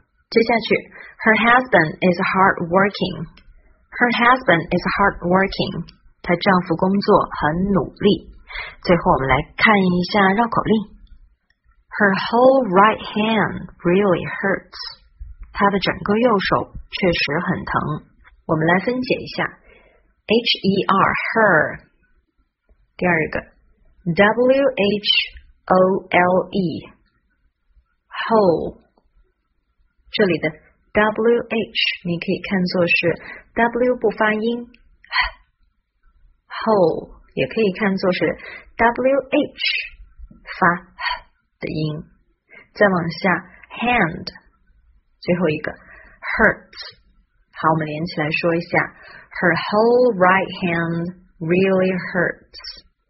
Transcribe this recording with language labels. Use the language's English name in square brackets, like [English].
[Chinese] 接下去 [English] Her husband is hardworking. Her husband is hardworking. [Chinese] 她丈夫工作很努力。最后我们来看一下绕口令。 [English] Her whole right hand really hurts. [Chinese] 她的整个右手确实很疼。我们来分解一下。H-E-R, her. 第二个 W-H-O-L-E. Whole， 这里的 wh 你可以看作是 w 不发音 ，whole 也可以看作是 wh 发 h 的音。再往下 ，hand， 最后一个 hurts。好，我们连起来说一下 ， [English] her whole right hand really hurts。